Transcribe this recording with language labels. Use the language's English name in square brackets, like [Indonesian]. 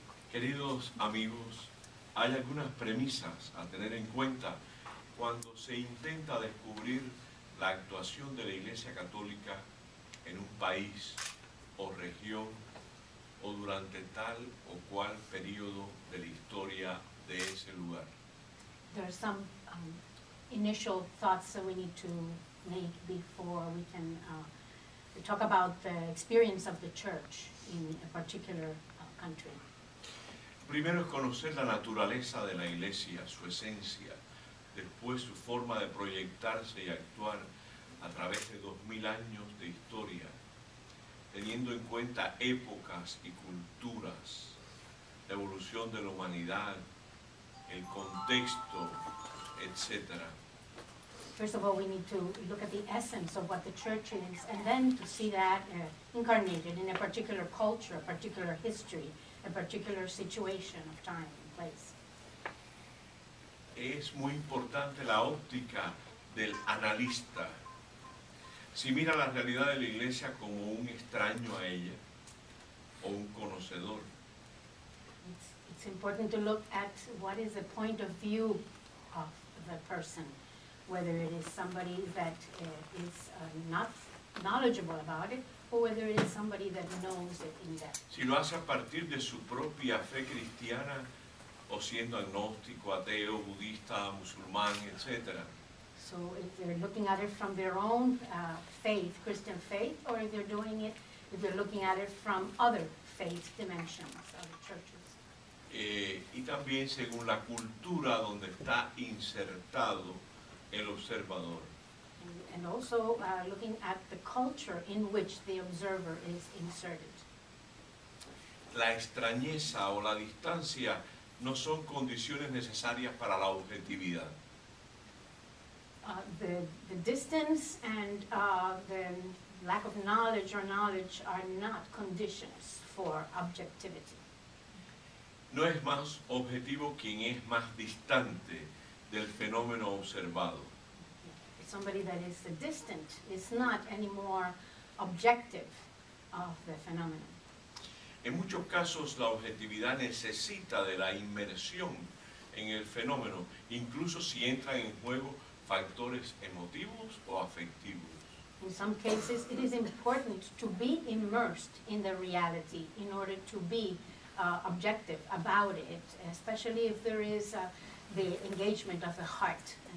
[Spanish] Queridos amigos, hay algunas premisas a tener en cuenta cuando se intenta descubrir la actuación de la Iglesia Católica en un país o región o durante tal o cual periodo de la historia de ese lugar. [English] There are some initial thoughts that we need to make before we can talk about the experience of the church in a particular country. [Spanish] Primero es conocer la naturaleza de la Iglesia, su esencia, después su forma de proyectarse y actuar a través de 2000 años de historia, teniendo en cuenta épocas y culturas, la evolución de la humanidad, el contexto, etc. [English] First of all, we need to look at the essence of what the church is, and then to see that incarnated in a particular culture, a particular history, a particular situation of time and place. [Spanish] Es muy importante la óptica del analista. Si mira la realidad de la Iglesia como un extraño a ella, o un conocedor. [English] It's important to look at what is the point of view of the person, whether it is somebody that is not knowledgeable about it, or whether it is somebody that knows it in depth. [Spanish] Si lo hace a partir de su propia fe cristiana, o siendo agnóstico, ateo, budista, musulmán, etc. [English] So if they're looking at it from their own faith, Christian faith, or if they're doing it, if they're looking at it from other faith dimensions, other churches. [Spanish] Y también según la cultura donde está insertado el observador. [English] And also looking at the culture in which the observer is inserted. [Spanish] La extrañeza o la distancia no son condiciones necesarias para la objetividad. [English] The distance and the lack of knowledge or knowledge are not conditions for objectivity. [Spanish] No es más objetivo quien es más distante del fenómeno observado. [English] Somebody that is distant is not any more objective of the phenomenon. [Spanish] En muchos casos, la objetividad necesita de la inmersión en el fenómeno, incluso si entran en juego factores emotivos o afectivos. [English] In some cases, it is important to be immersed in the reality in order to be objective about it, especially if there is the engagement of the heart.